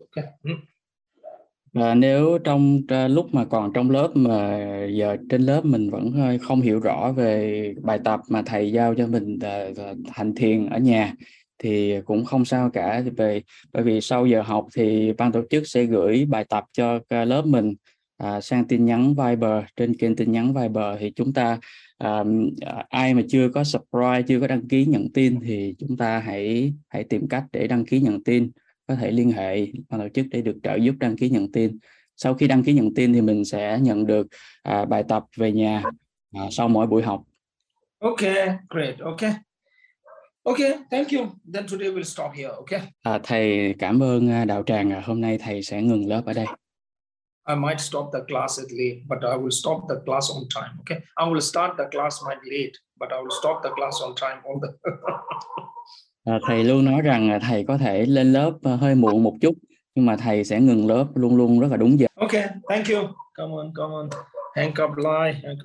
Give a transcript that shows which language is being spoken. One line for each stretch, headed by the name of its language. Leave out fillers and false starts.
English: Okay.
Vietnamese: Và nếu trong lúc mà còn trong lớp mà giờ trên lớp mình vẫn không hiểu rõ về bài tập mà thầy giao cho mình hành thiền ở nhà thì cũng không sao cả, bởi vì sau giờ học thì ban tổ chức sẽ gửi bài tập cho lớp mình sang tin nhắn Viber, trên kênh tin nhắn Viber thì chúng ta ai mà chưa có subscribe, chưa có đăng ký nhận tin thì chúng ta hãy tìm cách để đăng ký nhận tin, có thể liên hệ ban tổ chức để được trợ giúp đăng ký nhận tin. Sau khi đăng ký nhận tin thì mình sẽ nhận được bài tập về nhà sau mỗi buổi học.
English: Okay, great. Okay. Okay, thank you. Then today we'll stop here, okay?
Vietnamese: Thầy cảm ơn đạo tràng. Hôm nay thầy sẽ ngừng lớp ở đây.
English: I might stop the class late, but I will stop the class on time, okay? I will start the class might late, but I will stop the class on time.
Vietnamese: Thầy luôn nói rằng thầy có thể lên lớp hơi muộn một chút, nhưng mà thầy sẽ ngừng lớp luôn luôn rất là đúng giờ.
English: Okay, thank you. Come on. Hang up line.